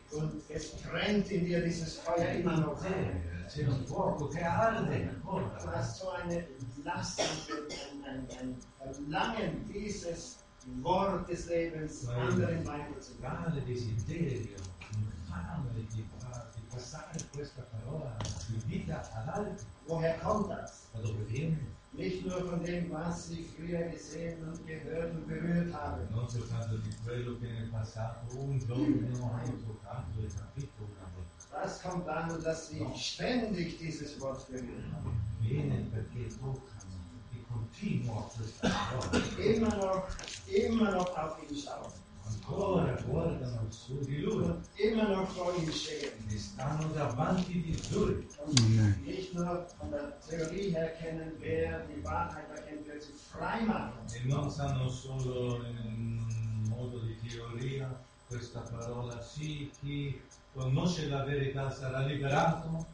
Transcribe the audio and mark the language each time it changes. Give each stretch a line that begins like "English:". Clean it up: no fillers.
German: Und es brennt in dir dieses Feuer immer noch.
Italian: C'è un fuoco che arde.
German: Du hast so eine Last und ein Verlangen, dieses Wort des Lebens anderen weiterzugeben.
Italian: Di passare questa parola di vita ad altri.
German: Woher kommt das?
Italian: Da dove viene?
German: Nicht nur von dem, was sie früher gesehen und gehört und berührt haben.
Italian: Non soltanto di quello che nel passato un giorno hai toccato e capito una volta.
German: Das kommt dann, dass sie ständig dieses Wort berührt haben.
Italian: Viene perché toccano e continuo a questa parola.
German: Immer noch auf ihn schauen.
Italian: Ancora guardano su di lui.
German: Immer noch vor ihm stehen.
Italian: E stanno davanti di lui.
German: Nicht nur von der Theorie her kennen, wer die Wahrheit erkennt, wer sie frei macht.
Italian: E non sanno solo in modo di teoria questa parola, sì, chi conosce la verità sarà liberato.